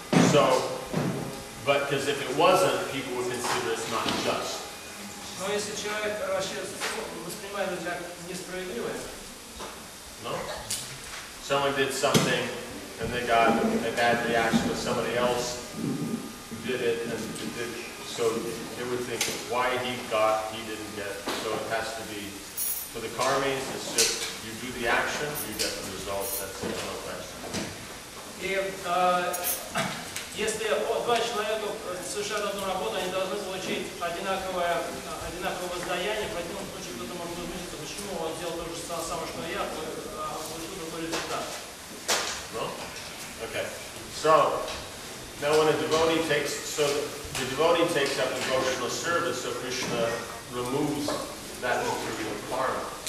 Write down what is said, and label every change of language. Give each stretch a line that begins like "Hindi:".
English: So, but because if it wasn't, people would consider it's not just.
Russian: Но если человек вообще воспринимает это как несправедливое.
English: No. Someone did something and they got a bad reaction, but somebody else did it and it did, so they would think why he didn't get. So it has to be for the karmis, it's just you do the action, you get the result, that's it, no question.
Russian: Если два человека совершают одну работу, они должны получить одинаковое воздаяние, поэтому в случае кто-то может удивиться, почему он сделал то же самое. написал самое, что я, получил другой результат.
English: Well, okay. So, now when a devotee takes, so the devotee takes up devotional service, so Krishna removes that material karma.